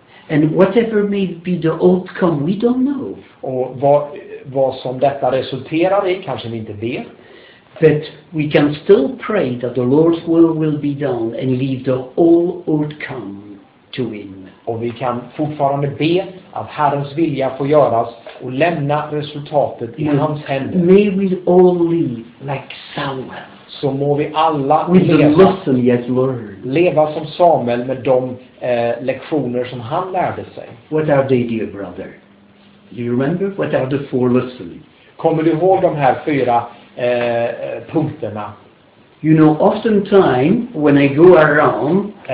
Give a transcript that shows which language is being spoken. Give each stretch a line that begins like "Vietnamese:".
English: And whatever may be the outcome, we don't know.
Swedish: Och vad som detta resulterar i, kanske vi inte vet.
English: But we can still pray that the Lord's will be done and leave the whole outcome to him.
Swedish: Och vi kan fortfarande be att Herrens vilja får göras och lämna resultatet i hans händer.
English: May we all live like Samuel.
Swedish: Så må vi alla
English: with the lesson he has learned.
Swedish: Leva som Samuel med de lektioner som han lärde sig.
English: What are they, dear brother? You remember? What are the four lessons?
Swedish: Kommer du ihåg de här fyra punkterna?
English: You know, often time when I go around,